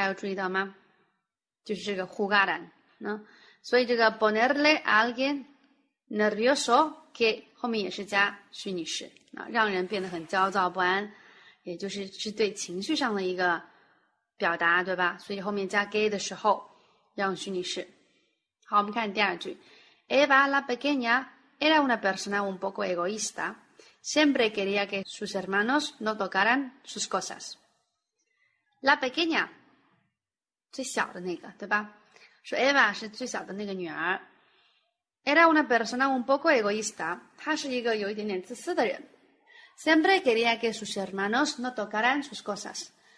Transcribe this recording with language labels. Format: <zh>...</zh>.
<zh>会让他发脾气，对吧？好的，那么这里用了一个虚拟式，大家有注意到吗？就是这个 jugaran，所以这个</zh> <es>ponerle a alguien nervioso que</es> <zh>后面也是加虚拟式，让人变得很焦躁不安，也就是对情绪上的一个表达，对吧？所以后面加 que 的时候，让虚拟式。好，我们看第二句 ，</zh> <es>Eva la pequeña era una persona un poco egoísta。 Siempre quería que sus hermanos no tocaran sus cosas. La pequeña,</es> <zh>最小的那个，对吧？说 Eva 是最小的那个女儿。</zh> <es>Era una persona un poco egoísta.</es> <zh>她是一个有一点点自私的人。</zh> <es>Siempre quería que sus hermanos no tocaran sus cosas.</es>